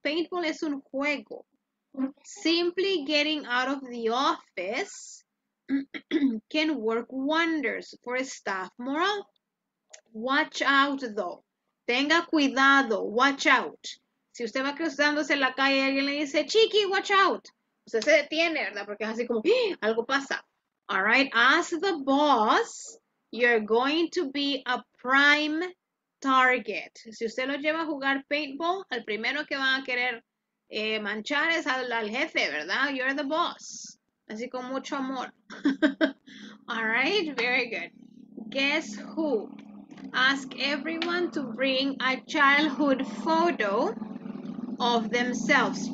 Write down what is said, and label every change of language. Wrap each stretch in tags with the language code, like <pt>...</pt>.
<es>Paintball es un juego.</es> <en>Simply getting out of the office can work wonders for staff morale. Watch out, though.</en> <es>Tenga cuidado.</es> <en>Watch out.</en> <es>Si usted va cruzándose en la calle y alguien le dice, Chiqui,</es> <en>watch out.</en> <es>Usted se detiene, ¿verdad? Porque es así como, ¡eh! Algo pasa.</es> <en>All right. As the boss, you're going to be a prime target.</en> <es>Si usted lo lleva a jugar paintball, el primero que van a querer manchar es al jefe, ¿verdad?</es> <en>You're the boss.</en> <es>Así con mucho amor.</es> <en>All right. Very good. Guess who? Ask everyone to bring a childhood photo of themselves.</en>